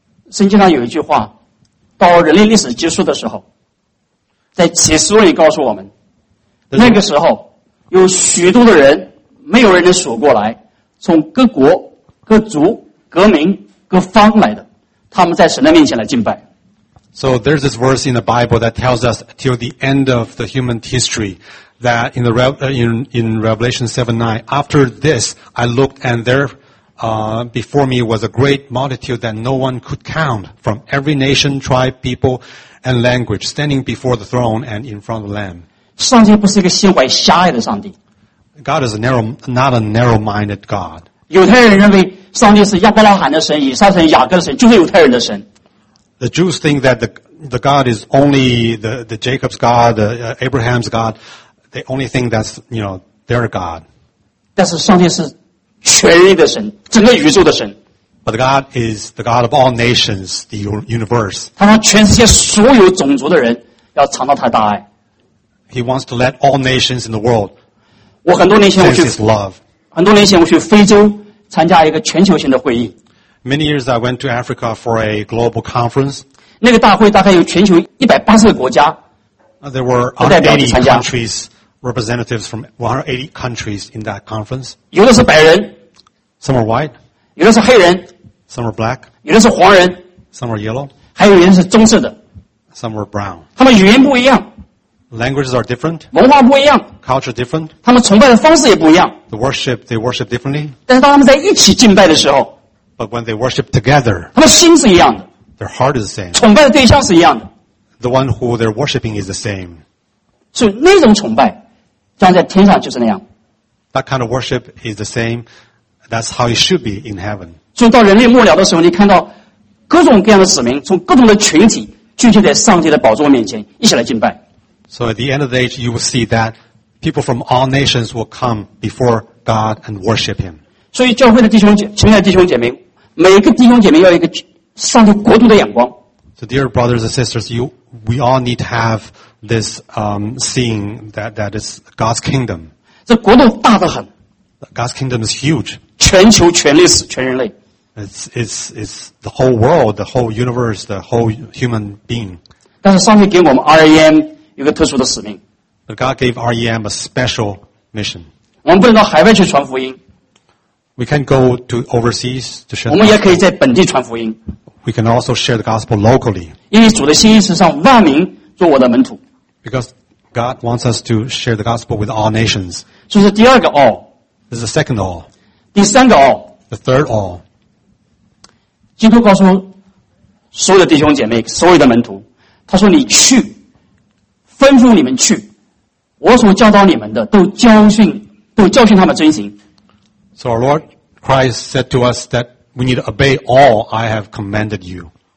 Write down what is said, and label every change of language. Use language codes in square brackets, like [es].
[zh] 圣经上有一句话，到人类历史结束的时候，在启示录里告诉我们，那个时候有许多的人，没有人能数过来，从各国、各族、各民、各方来的，他们在神的面前来敬拜。 [en] So there's this verse in the Bible that tells us till the end of the human history that in Revelation 7:9, after this, I looked and there, before me was a great multitude that no one could count from every nation, tribe, people, and language standing before the throne and in front of the Lamb. [zh] 上帝不是一个心怀狭隘的上帝。 [en] God is not a narrow-minded God. [zh] 犹太人认为上帝是亚伯拉罕的神、以撒神、雅各的神，就是犹太人的神。 [en] The Jews think that the God is only the Jacob's God, the Abraham's God. They only think that's, you know, their God. [zh] 但是上帝是全人类的神，整个宇宙的神。 [en] But God is the God of all nations, the universe. [zh] 他让全世界所有种族的人要尝到他的大爱。 [en] He wants to let all nations in the world. [zh] 我很多年前我去 很多年前我去非洲参加一个全球性的会议。 [en] Many years I went to Africa for a global conference. [zh] 那个大会大概有全球180个国家。 [en] There were 180 countries, representatives from 180 countries in that conference. [zh] 有的是白人。 [en] Some were white. [zh] 有的是黑人。 [en] Some were black. [zh] 有的是黄人。 [en] Some were yellow. [zh] 还有人是棕色的。 [en] Some were brown. [zh] 他们语言不一样。 [en] Languages are different. [zh] 文化不一样。 [en] Culture different. [zh] 他们崇拜的方式也不一样。 [en] They worship differently. [zh] 但是当他们在一起敬拜的时候， [en] But when they worship together, [zh] 他们心是一样的。 [en] Their heart is the same. [zh] 崇拜的对象是一样的。 [en] The one who they're worshiping is the same. [zh] 所以那种崇拜将在天上就是那样。 [en] That kind of worship is the same. That's how it should be in heaven. [zh] 所以到人类末了的时候，你看到各种各样的子民从各种的群体聚集在上帝的宝座面前一起来敬拜。 [en] So at the end of the age, you will see that people from all nations will come before God and worship Him. [zh] 所以教会的弟兄姐妹，亲爱的弟兄姐妹，每个弟兄姐妹要一个上帝国度的眼光。 [en] So dear brothers and sisters, we all need to have this seeing that is God's kingdom. [zh] 这国度大得很。 [en] God's kingdom is huge. [zh] 全球、全历史、全人类。 [en] It's the whole world, the whole universe, the whole human being. [zh] 但是上帝给我们 REM 一个特殊的使命。 [en] But God gave REM a special mission. [zh] 我们不能到海外去传福音。 [en] We can go to overseas to share. [zh] 我们也可以在本地传福音。 [en] We can also share the gospel locally. [zh] 因为主的心意是让万民做我的门徒。 [en] Because God wants us to share the gospel with all nations. [zh] 这是第二个 all. [en] This is the second all. [zh] 第三个 all. [en] The third all. [zh] 基督告诉所有的弟兄姐妹，所有的门徒，他说：“你去，吩咐你们去，我所教导你们的，都教训他们遵行。” [en] So our Lord Christ said to us that we need to obey all I have commanded you.